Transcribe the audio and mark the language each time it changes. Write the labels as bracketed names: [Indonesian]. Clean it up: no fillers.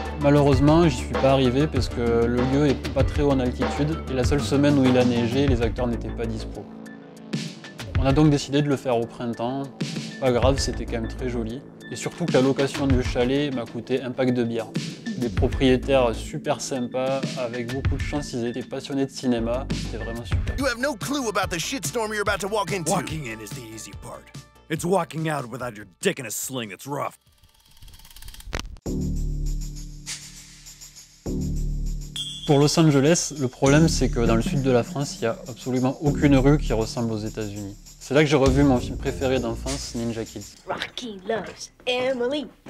[French] Malheureusement, j'y suis pas arrivé parce que le lieu est pas très haut en altitude et la seule semaine où il a neigé, les acteurs n'étaient pas dispo. On a donc décidé de le faire au printemps. Pas grave, c'était quand même très joli. Et surtout que la location du chalet m'a coûté un pack de bière. Des propriétaires super sympas, avec beaucoup de chance, ils étaient passionnés de cinéma. C'était vraiment super. [English] You have no clue about the shitstorm you're about to walk into. Walking in is the easy part. It's walking out without your dick in a sling, it's rough. [French] Pour Los Angeles, le problème c'est que dans le sud de la France, il n'y a absolument aucune rue qui ressemble aux États-Unis. C'est là que j'ai revu mon film préféré d'enfance, Ninja Kids. [English] Rocky loves Emily.